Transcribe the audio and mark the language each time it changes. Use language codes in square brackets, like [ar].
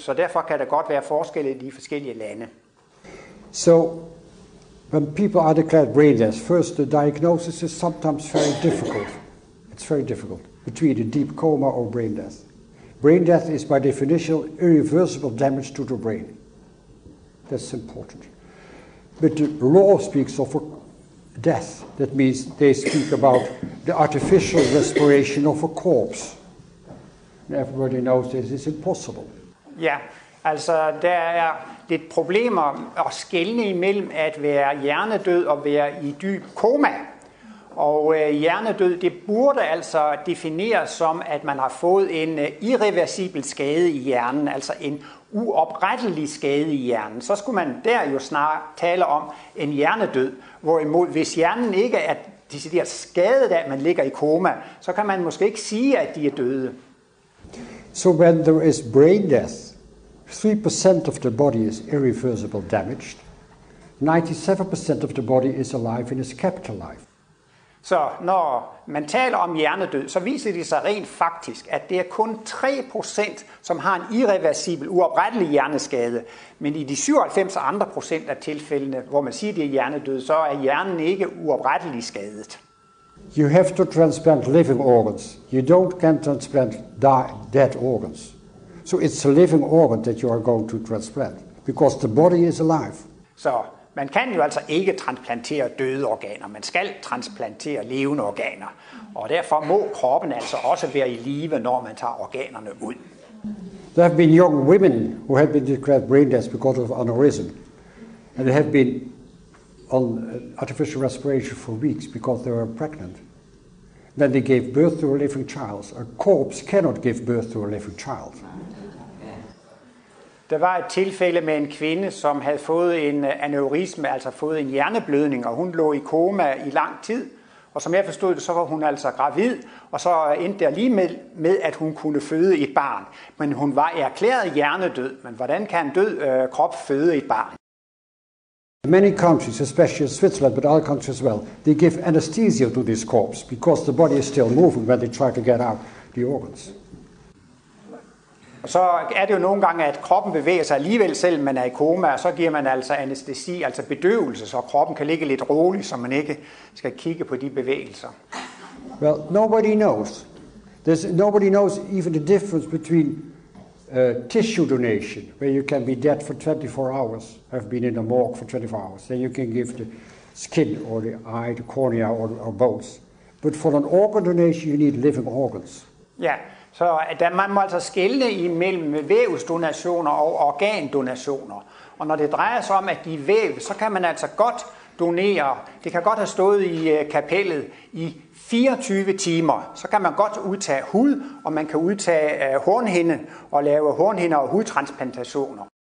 [da] Så derfor kan der godt være forskelle i de forskellige lande. [en] So, when people are declared brain dead, first the diagnosis is sometimes very difficult. It's very difficult between a deep coma or brain death. Brain death is by definition irreversible damage to the brain. That's important. But the law speaks of a death. That means they speak about the artificial respiration of a corpse. And everybody knows this is impossible. [da] Yeah, altså der er lidt problemer at skelne imellem at være hjernedød og være i dyb koma. Og hjernedød, det burde altså defineres som, at man har fået en irreversibel skade i hjernen, altså en uoprettelig skade i hjernen. Så skulle man der jo snart tale om en hjernedød, hvorimod hvis hjernen ikke er decideret skadet af, at man ligger i koma, så kan man måske ikke sige, at de er døde. [en] So when there is brain death, 3% of the body is irreversible damaged, 97% of the body is alive and is kept alive. [da] Så når man taler om hjernedød, så viser det sig rent faktisk, at det er kun 3%, som har en irreversibel, uoprettelig hjerneskade. Men i de 97% af tilfældene, hvor man siger, det er hjernedød, så er hjernen ikke uoprettelig skadet. [en] You have to transplant living organs. You don't can transplant dead organs. So it's a living organ that you are going to transplant, because the body is alive. [da] Så man kan jo altså ikke transplantere døde organer. Man skal transplantere levende organer. Og derfor må kroppen altså også være i live, når man tager organerne ud. [en] There have been young women who have been declared brain dead because of aneurysm. And they have been on artificial respiration for weeks because they were pregnant. Then they gave birth to a living child. A corpse cannot give birth to a living child. [da] Der var et tilfælde med en kvinde, som havde fået en aneurisme, altså fået en hjerneblødning, og hun lå i koma i lang tid. Og som jeg forstod det, så var hun altså gravid, og så endte det lige med, at hun kunne føde et barn. Men hun var erklæret hjernedød, men hvordan kan en død krop føde et barn? [en] Many countries, especially Switzerland, but other countries as well, they give anesthesia to this corpse, because the body is still moving when they try to get out the organs. [da] Så er det jo nogle gange, at kroppen bevæger sig alligevel, selv man er i koma, og så giver man altså anestesi, altså bedøvelse, så kroppen kan ligge lidt rolig, så man ikke skal kigge på de bevægelser. [en] Well, nobody knows. There's, nobody knows even the difference between tissue donation, where you can be dead for 24 hours, have been in a morgue for 24 hours, then you can give the skin or the eye, the cornea or both. But for an organ donation, you need living organs. [da] Ja. Yeah. Så der man må altså skelne imellem vævsdonationer og organdonationer. Og når det drejer sig om at give væv, så kan man altså godt donere. Det kan godt have stået i kapellet i 24 timer. Så kan man godt udtage hud, og man kan udtage hornhinde og lave hornhinde og hudtransplantationer.